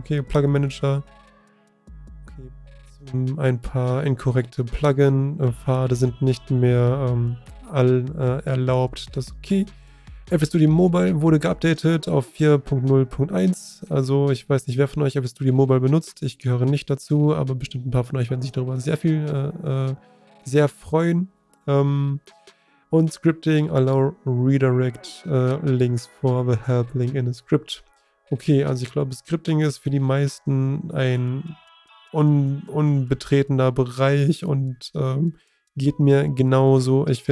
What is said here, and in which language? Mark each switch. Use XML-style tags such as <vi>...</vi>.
<de>Okay, Plugin-Manager. Okay, ein paar inkorrekte Plugin-Pfade sind nicht mehr erlaubt. Das ist okay. FL Studio Mobile wurde geupdatet auf 4.0.1. Also ich weiß nicht, wer von euch FL Studio Mobile benutzt. Ich gehöre nicht dazu, aber bestimmt ein paar von euch werden sich darüber sehr viel sehr freuen.</de> <en>Und Scripting allow redirect links for the help link in a script.</en> <de>Okay, also ich glaube, Scripting ist für die meisten ein unbetretener Bereich und geht mir genauso.</de>